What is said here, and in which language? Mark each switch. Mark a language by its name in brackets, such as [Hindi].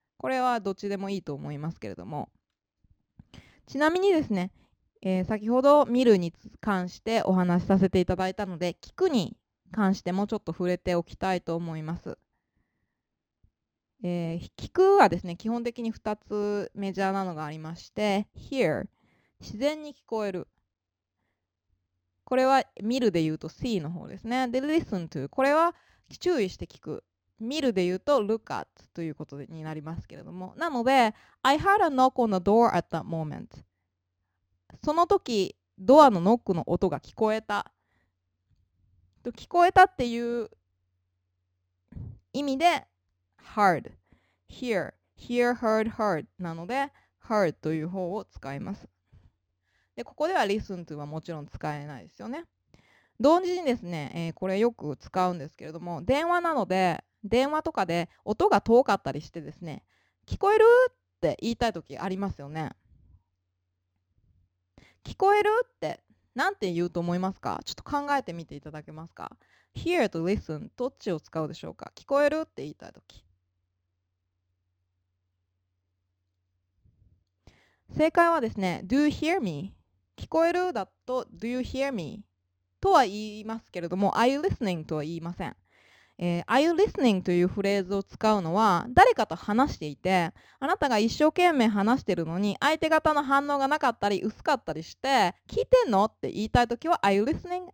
[Japanese] これはどっちでもいいと思いますけれども、ちなみにですね、先ほど見るに関してお話しさせていただいたので、聞くに関してもちょっと触れておきたいと思います。聞くはですね、基本的に2つメジャーなのがありまして、hear、自然に聞こえる。これは見るで言うと see の方ですね。で、listen to、これは注意して聞く。見るで言うと look at ということになりますけれども、なので [English] I heard a knock on the door at that moment。 [Japanese] その時ドアのノックの音が聞こえた、と聞こえたっていう意味で heard、 hear、 hear、 heard、 heard なので heard という方を使います。で、ここでは listen to はもちろん使えないですよね。同時にですね、これよく使うんですけれども、電話なので電話とかで音が遠かったりしてですね、聞こえるって言いたいときありますよね。聞こえるってなんて言うと思いますか？ちょっと考えてみていただけますか？ hear と listen どっちを使うでしょうか？聞こえるって言いたいとき、正解はですね、 [English] do you hear me？ [Japanese] 聞こえるだと [English] do you hear me？ [Japanese] とは言いますけれども、 [English] are you listening？ [Japanese] とは言いません。Are you listening というフレーズを使うのは、誰かと話していて、あなたが一生懸命話しているのに相手方の反応がなかったり薄かったりして、聞いてんのって言いたいときは [English] Are you listening?